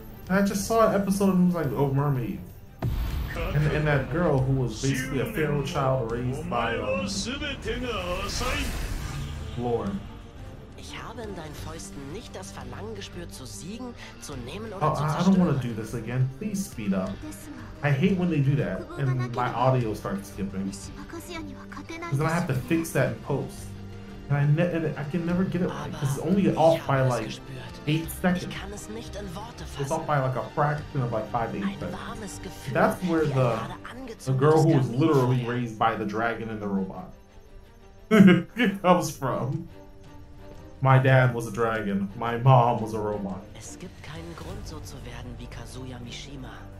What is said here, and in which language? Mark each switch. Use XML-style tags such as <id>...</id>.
<en>I just saw an episode and was like, oh, mermaid. And that girl who was basically a feral child raised by Lord.</en> <de>Ich habe in deinen Fäusten nicht das Verlangen gespürt, zu siegen, zu nehmen oder oh, zu zerstören.</de> <en>I don't want to do this again. Please speed up. I hate when they do that and my audio starts skipping. Because then I have to fix that in post. And I can never get it right. Because it's only off by like 8 seconds. It's off by like a fraction of like 5-8 seconds. That's where the girl who was literally raised by the dragon and the robot comes from. My dad was a dragon. My mom was a robot.</en> <de>Es gibt keinen Grund, so zu werden wie Kazuya Mishima.</de>